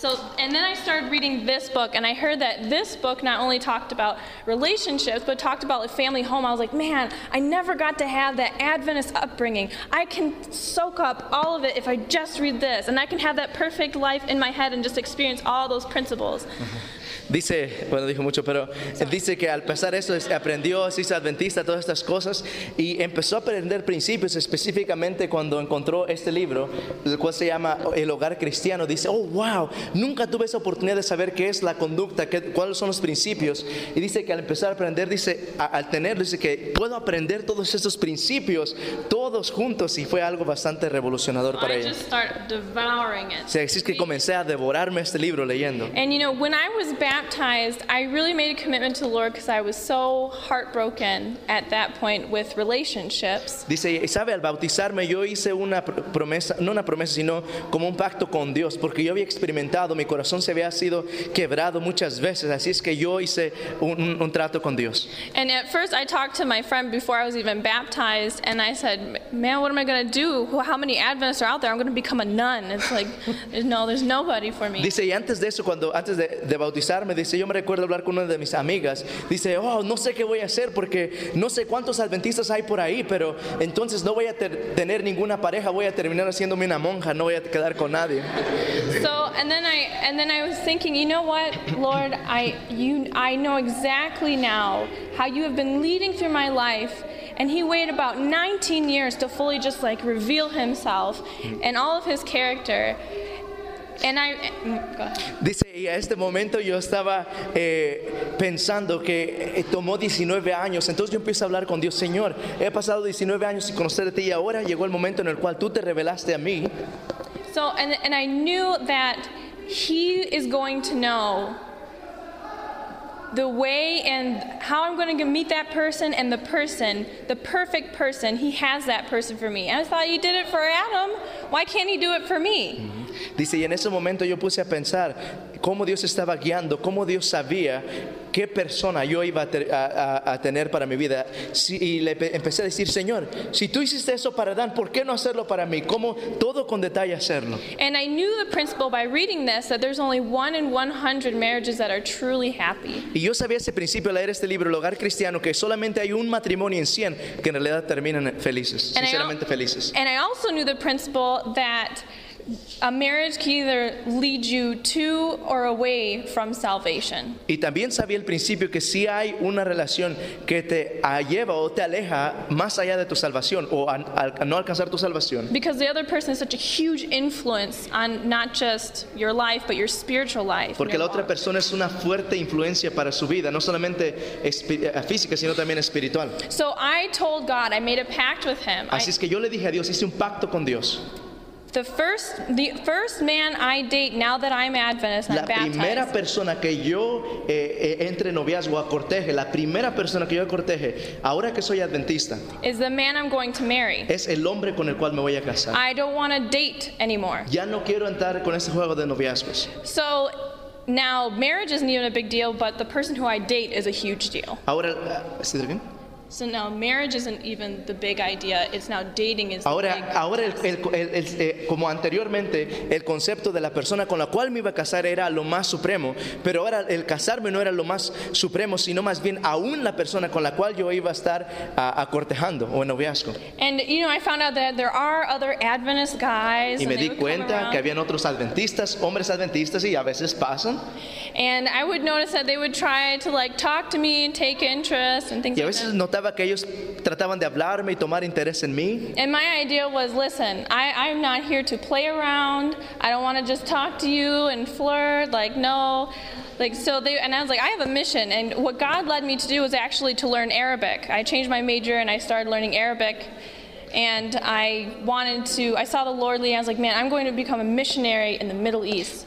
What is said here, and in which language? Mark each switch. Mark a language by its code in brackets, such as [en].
[en] So, and then I started reading this book, and I heard that this book not only talked about relationships, but talked about a family home. I was like, man, I never got to have that Adventist upbringing. I can soak up all of it if I just read this, and I can have that perfect life in my head and just experience all those principles. Mm-hmm. [es] Dice, bueno, dijo mucho, pero dice que al pasar eso aprendió, se hizo adventista, todas estas cosas, y empezó a aprender principios específicamente cuando encontró este libro, el cual se llama El Hogar Cristiano. Dice, oh, wow, nunca tuve esa oportunidad de saber qué es la conducta, qué, cuáles son los principios. Y dice que al empezar a aprender, dice, al tener, dice que puedo aprender todos estos principios, todos juntos, y fue algo bastante revolucionador para ella. [en] I just started devouring it. [es] Sí, así es que comencé a devorarme este libro leyendo. [en] And you know, when I was baptized, I really made a commitment to the Lord because I was so heartbroken at that point with relationships. [es] Dice, sabe, al bautizarme yo hice una promesa, no una promesa, sino como un pacto con Dios, porque yo había experimentado, mi corazón se había sido quebrado muchas veces, así es que yo hice un trato con Dios. [en] And at first I talked to my friend before I was even baptized, and I said, man, what am I going to do? How many Adventists are out there? I'm going to become a nun. It's like, no, there's nobody for me. [es] Dice, y antes de eso, cuando, antes de bautizarme, dice, yo me recuerdo hablar con una de mis amigas. Dice, oh, no sé qué voy a hacer porque no sé cuántos adventistas hay por ahí, pero entonces no voy a tener ninguna pareja, voy a terminar haciéndome una monja, no voy a quedar con nadie. [en] So, and then I was thinking, you know what, Lord, I know exactly now how you have been leading through my life. And he waited about 19 years to fully just like reveal himself and all of his character. And I, go ahead. [es] Dice, y a este momento yo estaba pensando que tomó 19 años. Entonces yo empiezo a hablar con Dios, Señor, he pasado 19 años sin conocer a ti y ahora llegó el momento en el cual tú te revelaste a mí. [en] So, and I knew that he is going to know the way and how I'm going to meet that person and the person, the perfect person, he has that person for me. And I thought, he did it for Adam, why can't he do it for me? Mm-hmm. [es] Dice, y en ese momento yo puse a pensar cómo Dios estaba guiando, cómo Dios sabía qué persona yo iba a tener para mi vida. Si, y le empecé a decir, Señor, si tú hiciste eso para Adán, ¿por qué no hacerlo para mí? ¿Cómo todo con detalle hacerlo? [en] And I knew the principle by reading this, that there's only one in 100 marriages that are truly happy. [es] Y yo sabía ese principio al leer este libro, El Hogar Cristiano, que solamente hay un matrimonio en 100 que en realidad terminan felices, [en] and [es] sinceramente felices. [en] And I also knew the principle that a marriage can either lead you to or away from salvation. [es] Y también sabía el principio que si hay una relación que te lleva o te aleja más allá de tu salvación o a no alcanzar tu salvación. [en] Because the other person is such a huge influence on not just your life but your spiritual life. [es] Porque la otra persona es una fuerte influencia para su vida, no solamente física sino también espiritual. [en] So I told God, I made a pact with him. [es] Así es que yo le dije a Dios, hice un pacto con Dios. [en] The first man I date now that I'm Adventist, [es] la [en] I'm baptized. [es] La primera persona que yo entre noviazgo a corteje, la primera persona que yo corteje, ahora que soy adventista. [en] Is the man I'm going to marry. [es] Es el hombre con el cual me voy a casar. [en] I don't want to date anymore. [es] Ya no quiero entrar con ese juego de noviazgos. [en] So now marriage isn't even a big deal, but the person who I date is a huge deal. [es] Ahora, ¿sí bien? [en] So now marriage isn't even the big idea. It's now dating is the [es] ahora, [en] big idea. [es] Ahora, como anteriormente, el concepto de la persona con la cual me iba a casar era lo más supremo. Pero ahora el casarme no era lo más supremo, sino más bien aún la persona con la cual yo iba a estar a cortejando o en noviazgo. [en] And, you know, I found out that there are other Adventist guys. [es] Y me di cuenta que habían otros adventistas, hombres adventistas, y a veces pasan. [en] And I would notice that they would try to, like, talk to me and take interest and things [es] y a veces [en] like that. [es] Que ellos trataban de hablarme y tomar interés en mí. [en] And my idea was, listen, I'm not here to play around. I don't want to just talk to you and flirt. Like, no. Like, so they, and I was like, I have a mission. And what God led me to do was actually to learn Arabic. I changed my major and I started learning Arabic. And I saw the Lord leading. I was like, man, I'm going to become a missionary in the Middle East.